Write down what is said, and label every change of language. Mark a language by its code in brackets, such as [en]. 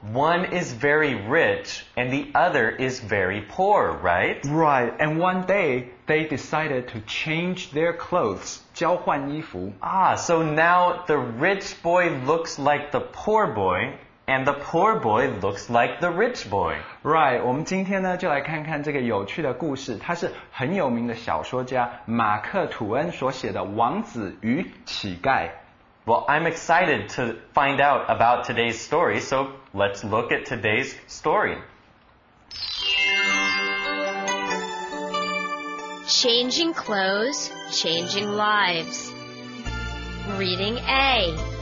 [en] One is very rich and the other is very poor, right? Right. And one day, they decided to change their clothes, 交换衣服。 Ah, so now the rich boy looks like the poor boy, and the poor boy looks like the rich boy. Right. [zh] 我们今天呢，就来看看这个有趣的故事。它是很有名的小说家马克吐恩所写的《王子与乞丐》。 [en] Well, I'm excited to find out about today's story, so let's look at today's story. Changing clothes, changing lives. Reading A.